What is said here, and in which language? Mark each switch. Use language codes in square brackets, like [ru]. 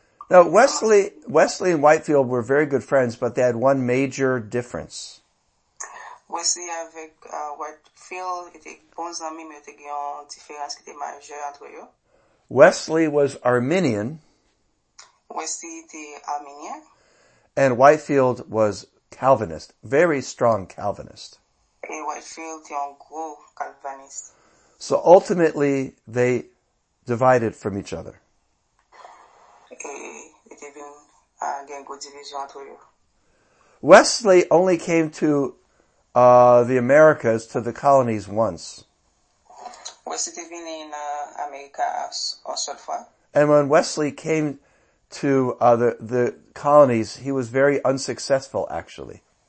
[en] Now, Wesley and Whitefield were very good friends, but they had one major difference. [fr] Wesley avec Whitefield était bons amis, mais il y a une différence qui était majeure entre eux. [en] Wesley was Arminian. [fr] Wesley était Arminien. [en] And Whitefield was Calvinist, very strong Calvinist. [fr] Et Whitefield était un gros Calvinist. [en] So ultimately, they divided from each other. [fr] Et il y avait une grosse division entre eux. [en] Wesley only came to the Americas, to the colonies once. [fr] Wesley était venu en Amérique une seule fois. [en] And when Wesley came to the colonies, he was very unsuccessful, actually.